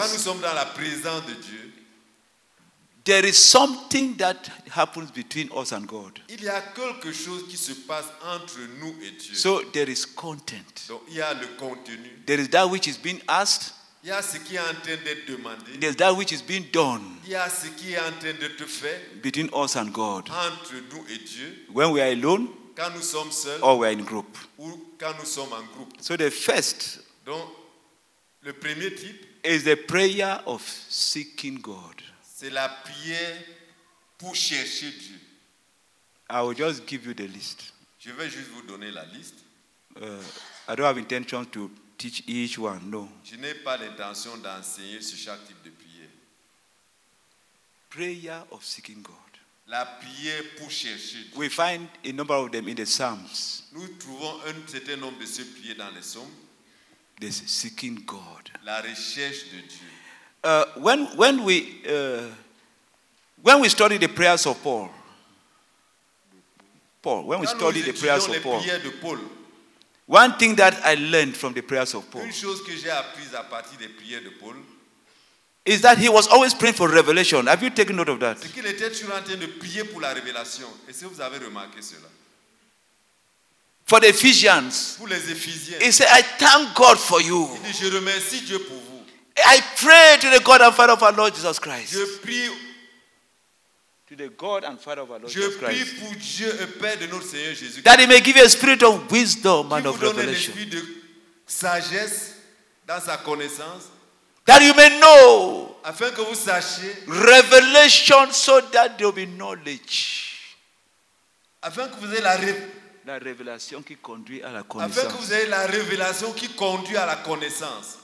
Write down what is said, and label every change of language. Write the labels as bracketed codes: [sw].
[fr] Quand nous sommes dans la présence de Dieu. [en] There is something that happens between us and God. [fr] Il y a quelque chose qui se passe entre nous et Dieu. [en] So there is content. [fr] Donc il y a le contenu. [en] There is that which is being asked. [fr] Il y a ce qui est en train d'être demandé. [en] There is that which is being done. [fr] Il y a ce qui est en train d'être fait. [en] Between us and God. [fr] Entre nous et Dieu. [en] When we are alone. [fr] Quand nous sommes seuls. [en] Or we are in group. [fr] Ou quand nous sommes en groupe. [en] So the first. [fr] Donc le premier type. [en] Is the prayer of seeking God. [fr] C'est la prière pour chercher Dieu. [en] I will just give you the list. [fr] Je vais juste vous donner la liste. [en] I don't have intention to teach each one, no. [fr] Je n'ai pas l'intention d'enseigner sur chaque type de prière. [en] Prayer of seeking God. [fr] La prière pour chercher Dieu. [en] We find a number of them in the Psalms. [fr] Nous trouvons un certain nombre de ces prières dans les Psaumes. [en] The seeking God. [fr] La recherche de Dieu. [en] When we study the prayers of Paul, when we study the prayers of Paul, one thing that I learned from the prayers of Paul, [fr] une chose que j'ai appris à partir des prières de Paul, [en] is that he was always praying for revelation. Have you taken note of that? [fr] C'est qu'il était toujours en train de prier pour la révélation. Est-ce que vous avez remarqué cela? [en] For the Ephesians. [fr] Pour les Ephésiens. [en] He said, I thank God for you. [fr] Il dit, je remercie Dieu pour vous. [en] I pray to the God and Father of our Lord Jesus Christ. [fr] Je prie [en] to the God and Father of our Lord [fr] Je [en] Jesus Christ. [fr] Prie pour Dieu et Père de notre Seigneur Jésus. [en] That He may give you a spirit of wisdom and of revelation. [fr] Qu'il vous donne l'esprit de sagesse dans sa connaissance. [en] That you may know. [fr] Afin que vous sachiez. [en] Revelation so that there will be knowledge. [fr] Afin que vous ayez la révélation qui conduit à la connaissance. Afin que vous ayez la révélation qui conduit à la connaissance.